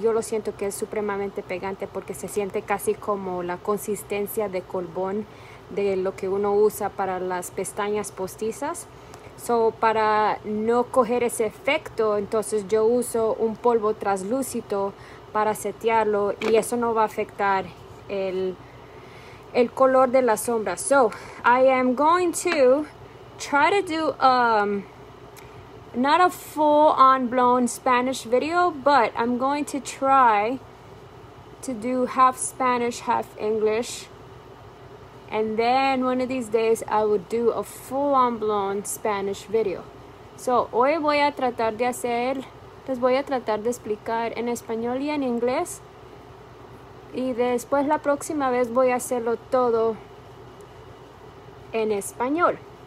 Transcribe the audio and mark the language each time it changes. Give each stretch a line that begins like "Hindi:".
Spanish: Yo lo siento que es supremamente pegante porque se siente casi como la consistencia de colbón de lo que uno usa para las pestañas postizas. So, para no coger ese efecto, entonces yo uso un polvo traslúcido para setearlo y eso no va a afectar el color de la sombra.
English: So, I am going to try to do not a full on blown Spanish video, but I'm going to try to do half Spanish, half English. And then one of these days I would do a full on blown Spanish video.
Spanish: So, hoy voy a tratar de hacer, les voy a tratar de explicar en español y en inglés. Y después la próxima vez voy a hacerlo todo en español.